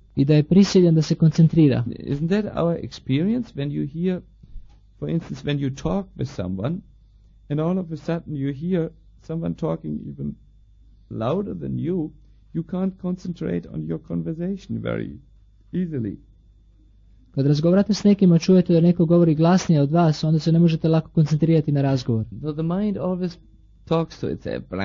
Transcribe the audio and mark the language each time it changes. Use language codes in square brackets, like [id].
[hr] I da je prisiljen da se koncentrira. [en] Isn't that our experience when you hear, for instance, when you talk with someone and all of a sudden you hear someone talking even louder than you, you can't concentrate on your conversation very easily. [hr] Kad razgovarate s nekim, čujete da neko govori glasnije od vas, onda se ne možete lako koncentrirati na razgovor. [en] So the mind always talks to itself.